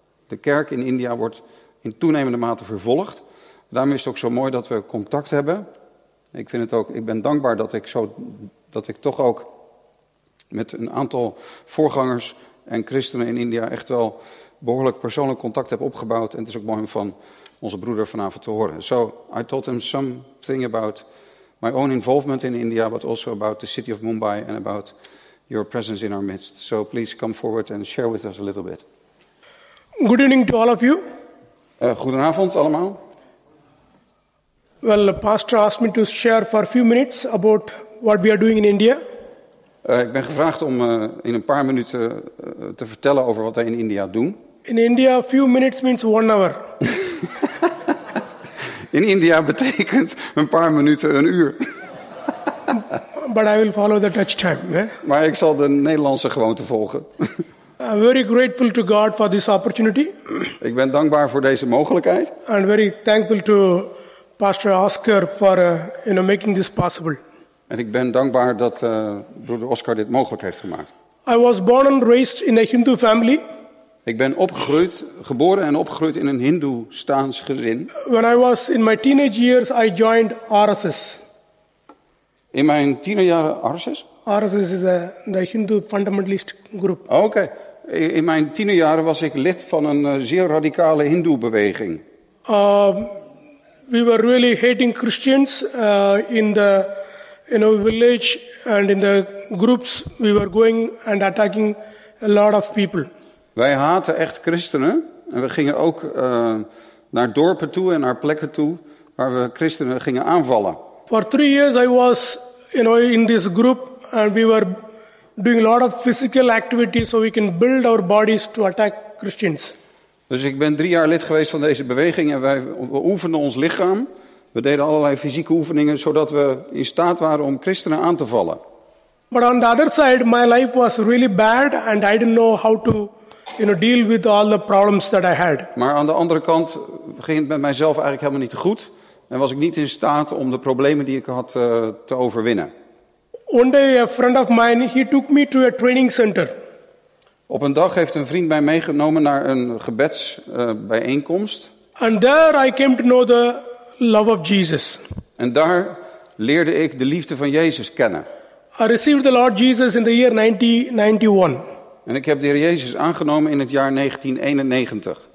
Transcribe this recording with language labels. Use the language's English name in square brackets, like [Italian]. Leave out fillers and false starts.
[Dutch] De kerk in India wordt in toenemende mate vervolgd. Daarom is het ook zo mooi dat we contact hebben. Ik ben dankbaar dat ik toch ook met een aantal voorgangers en christenen in India echt wel behoorlijk persoonlijk contact heb opgebouwd. En het is ook mooi om van onze broeder vanavond te horen. [English] So, I told him something about my own involvement in India, but also about the city of Mumbai and about your presence in our midst. So, please come forward and share with us a little bit. Good evening to all of you. [Dutch] Goedenavond allemaal. [English] Well, the pastor asked me to share for a few minutes about what we are doing in India. [Dutch] Ik ben gevraagd om in een paar minuten te vertellen over wat wij in India doen. [English] In India, a few minutes means 1 hour. [Dutch] In India betekent een paar minuten een uur. [English] But I will follow the Dutch time. Eh? [Dutch] Maar ik zal de Nederlandse gewoonte volgen. [English] I'm very grateful to God for this opportunity. [Dutch] Ik ben dankbaar voor deze mogelijkheid. [English] And very thankful to Pastor Oscar for making this possible. [Dutch] En ik ben dankbaar dat broeder Oscar dit mogelijk heeft gemaakt. [English] I was born and raised in a Hindu family. [Dutch] Ik ben geboren en opgegroeid in een Hindoestaans gezin. [English] When I was in my teenage years, I joined RSS. [Dutch] In mijn tienerjaren RSS? [English] RSS is the Hindu fundamentalist group. Okay. [Dutch] In mijn tienerjaren was ik lid van een zeer radicale Hindoe-beweging. [English] We were really hating Christians in our village and in the groups we were going and attacking a lot of people. [Dutch] Wij haten echt christenen en we gingen ook naar dorpen toe en naar plekken toe waar we christenen gingen aanvallen. [English] For 3 years I was, you know, in this group, and we were doing a lot of physical activity so we can build our bodies to attack Christians. [Dutch] Dus ik ben 3 jaar lid geweest van deze beweging en we oefenden ons lichaam. We deden allerlei fysieke oefeningen zodat we in staat waren om christenen aan te vallen. [English] But on the other side, my life was really bad and I didn't know how to, you know, deal with all the problems that I had. [Dutch] Maar aan de andere kant ging het met mijzelf eigenlijk helemaal niet goed en was ik niet in staat om de problemen die ik had te overwinnen. [English] One day a friend of mine, he took me to a training center. [Dutch] Op een dag heeft een vriend mij meegenomen naar een gebedsbijeenkomst. [English] And there I came to know the love of Jesus. [Dutch] En daar leerde ik de liefde van Jezus kennen. [English] I received the Lord Jesus in the year 1991. [Dutch] En ik heb de Heer Jezus aangenomen in het jaar 1991.